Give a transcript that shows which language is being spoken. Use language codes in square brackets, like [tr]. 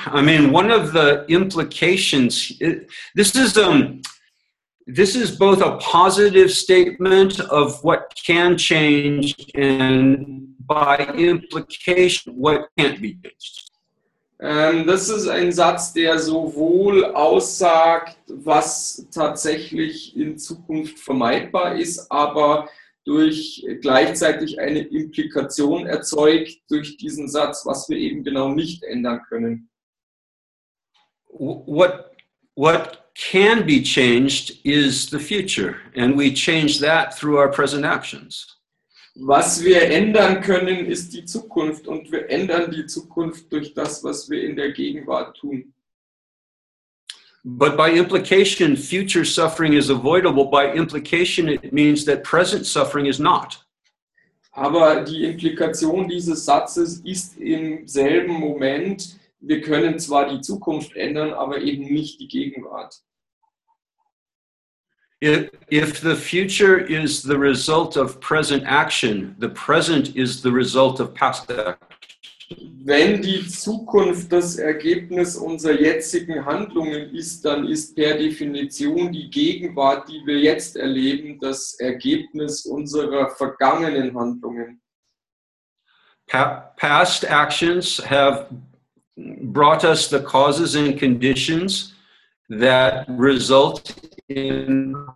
[en] I mean, one of the implications, this is both a positive statement of what can change and by implication, what can't be changed. [de] Das ist ein Satz, der sowohl aussagt, was tatsächlich in Zukunft vermeidbar ist, aber durch gleichzeitig eine Implikation erzeugt durch diesen Satz, was wir eben genau nicht ändern können. [en] What can be changed is the future, and we change that through our present actions. [de] Was wir ändern können, ist die Zukunft, und wir ändern die Zukunft durch das, was wir in der Gegenwart tun. [en] But by implication, future suffering is avoidable. By implication, it means that present suffering is not. [de] Aber die Implikation dieses Satzes ist im selben Moment, wir können zwar die Zukunft ändern, aber eben nicht die Gegenwart. [en] If the future is the result of present action, the present is the result of past action. [de] Wenn die Zukunft das Ergebnis unserer jetzigen Handlungen ist, dann ist per Definition die Gegenwart, die wir jetzt erleben, das Ergebnis unserer vergangenen Handlungen. [en] Past actions have brought us the causes and conditions that result in